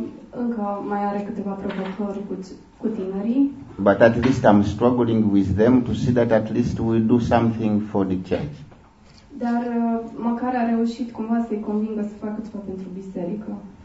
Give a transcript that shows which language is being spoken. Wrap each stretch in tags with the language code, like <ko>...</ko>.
<ro>Încă mai are câteva provocări cu tinerii.</ro> <en>But at least I'm struggling with them to see that at least we do something for the church.</en> <ro>Dar măcar a reușit cumva să-i convingă să facă ceva pentru biserică.</ro>